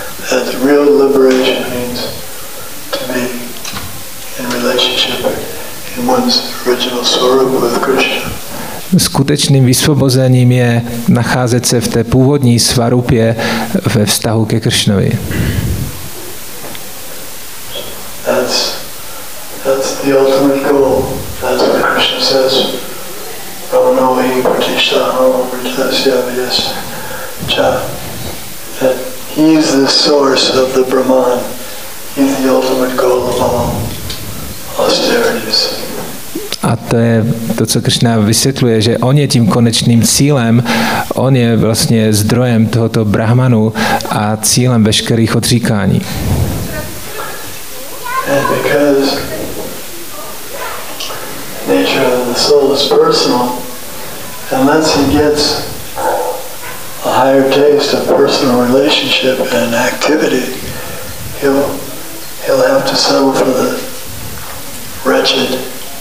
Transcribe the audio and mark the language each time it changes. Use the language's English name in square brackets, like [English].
[English] That the real liberation means to be in relationship in one's original swarup with Krishna. [Czech] Skutečným vysvobozením je nacházet se v té původní svarupě ve vztahu ke Kršnovi. [English] That's the ultimate goal. says, Ramanohi Pratishtaham Pratasya Vyascha, that he's the source of the Brahman. He's the ultimate goal of all austerities. [Czech] A to je to, co Krishna vysvětluje, že on je tím konečným cílem, on je vlastně zdrojem tohoto brahmanu a cílem veškerých odříkání. [English] And because nature of the soul is personal, unless he gets a higher taste of personal relationship and activity, he'll have to settle for the wretched